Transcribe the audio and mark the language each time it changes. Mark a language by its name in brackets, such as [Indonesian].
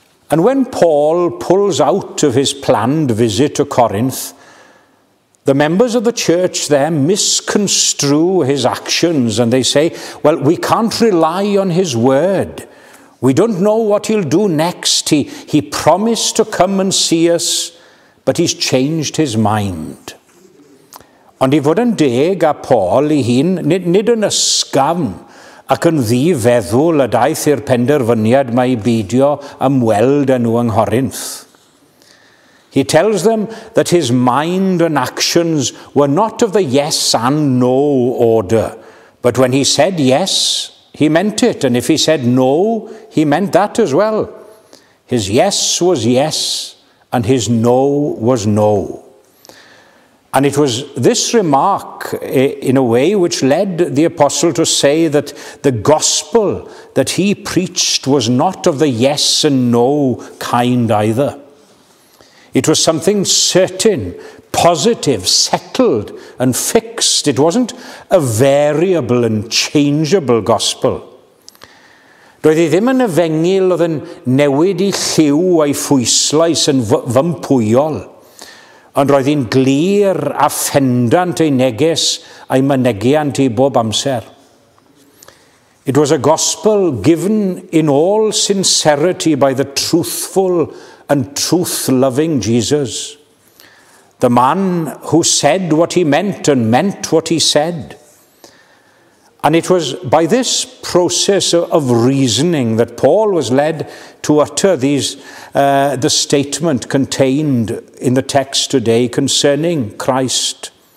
[English] And when Paul pulls out of his planned visit to Corinth, the members of the church there misconstrue his actions and they say, well, we can't rely on his word. We don't know what he'll do next. He promised to come and see us, but he's changed his mind. [Welsh] Ond i fod yn deg a Paul i hun, nid yn ysgafn ac yn ddi-feddwl y daeth i'r penderfyniad mae'i beidio ymweld â nhw yng Nghorinth. [English] He tells them that his mind and actions were not of the yes and no order, but when he said yes, he meant it, and if he said no, he meant that as well. His yes was yes, and his no was no. And it was this remark, in a way, which led the apostle to say that the gospel that he preached was not of the yes and no kind either. It was something certain, positive, settled and fixed. It wasn't a variable and changeable gospel. [Welsh] Doedd hi ddim yn efengil oedd yn newid ei lliw a'i phwyslais yn fympwyol, ond roedd hi'n glir a phendant ei neges a'i mynegiant i bob amser. [English] It was a gospel given in all sincerity by the truthful and truth-loving Jesus. The man who said what he meant and meant what he said. And it was by this process of reasoning that Paul was led to utter these the statement contained in the text today concerning Christ.